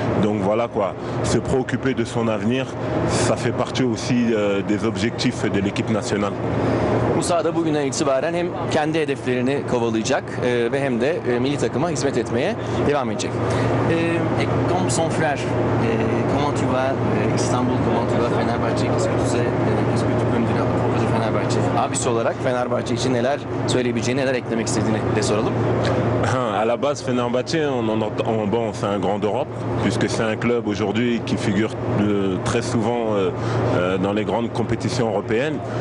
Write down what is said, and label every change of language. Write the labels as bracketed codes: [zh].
[fr] Donc voilà, quoi, se préoccuper de son avenir, ça fait partie aussi des objectifs de l'équipe nationale. [tr] Moussa da bugünden itibaren hem kendi hedeflerini kovalayacak ve hem de milli takıma hizmet etmeye devam edecek. [fr] Et comme son frère, comment tu vas Istanbul, comment tu vas Fenerbahçe, qu'est-ce que tu peux me dire à propos de Fenerbahçe? [tr] abisi olarak Fenerbahçe için neler söyleyebileceğini, neler eklemek istediğini de soralım. [fr] À la base, Fenerbahçe, c'est un grand d'Europe, puisque c'est un club aujourd'hui qui figure très souvent dans les grandes compétitions européennes.